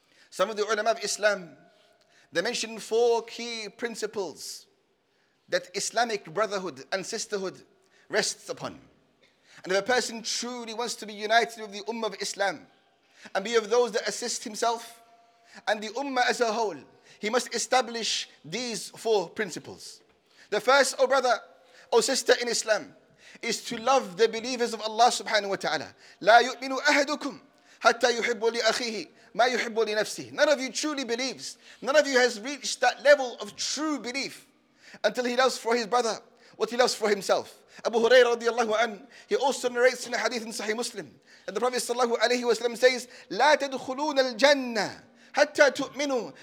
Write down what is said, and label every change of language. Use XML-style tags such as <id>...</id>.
<en>Some of the ulama of Islam, they mentioned four key principles that Islamic brotherhood and sisterhood rests upon. And if a person truly wants to be united with the Ummah of Islam and be of those that assist himself and the ummah as a whole. He must establish these four principles. The first, O brother, O sister in Islam, is to love the believers of Allah subhanahu wa ta'ala.</en> <ar>لا يؤمن أحدكم حتى يحب لأخيه ما يحب لنفسه.</ar> <en>None of you truly believes. None of you has reached that level of true belief until he loves for his brother what he loves for himself. Abu Hurairah radiallahu anhu, he also narrates in a hadith in Sahih Muslim that the Prophet sallallahu alayhi wa sallam says,</en> <ar>لا تدخلون الجنة حتى تؤمنوا.</ar>